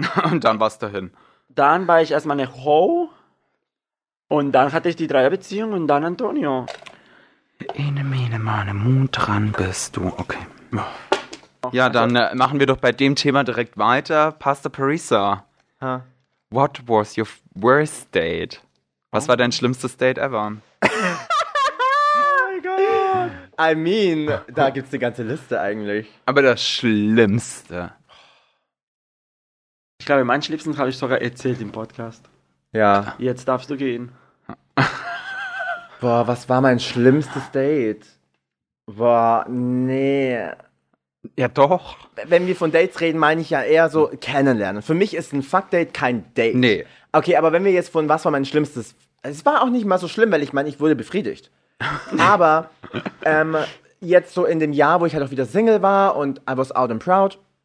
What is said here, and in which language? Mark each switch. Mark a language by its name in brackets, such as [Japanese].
[German] Und dann warst du hin. Dann war ich erstmal eine Ho und dann hatte ich die 3er Beziehung und dann Antonio. Ene, mene, mane, Mond dran bist du. Okay. Ja, dann machen wir doch bei dem Thema direkt weiter. Pasta Parisa. Huh? [English] What was your worst date? [German] Was war dein schlimmstes Date ever? [English] I mean, [German] da gibt's die ganze Liste eigentlich. Aber das Schlimmste. Ich glaube, mein Schlimmsten habe ich sogar erzählt im Podcast. Ja. Jetzt darfst du gehen. Boah, was war mein schlimmstes Date? Boah, nee. Ja, doch. Wenn wir von Dates reden, meine ich ja eher so kennenlernen. Für mich ist ein Fuckdate kein Date. Nee. Okay, aber wenn wir jetzt von was war mein schlimmstes... Es war auch nicht mal so schlimm, weil ich meine, ich wurde befriedigt. Aber jetzt so in dem Jahr, wo ich halt auch wieder Single war und [English] I was out and proud.